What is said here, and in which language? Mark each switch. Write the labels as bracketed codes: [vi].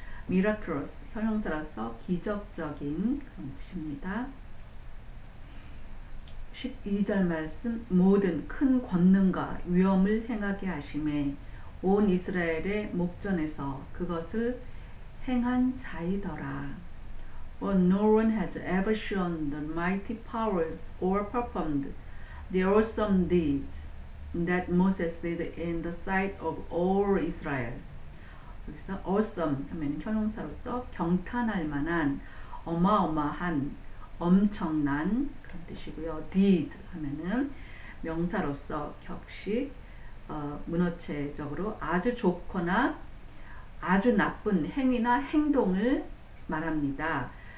[en] Miraculous, [ko] 형용사로서 기적적인 그런 뜻입니다. 12절 말씀, 모든 큰 권능과 위엄을 행하게 하심에 온 이스라엘의 목전에서 그것을 행한 자이더라. [en] For no one has ever shown the mighty power or performed the awesome deeds that Moses did in the sight of all Israel. [ko] 여기서 awesome 하면 형용사로서 경탄할 만한 어마어마한 엄청난 그런 뜻이고요. deed 하면은 명사로서 격식, 문어체적으로 아주 좋거나 아주 나쁜 행위나 행동을 말합니다.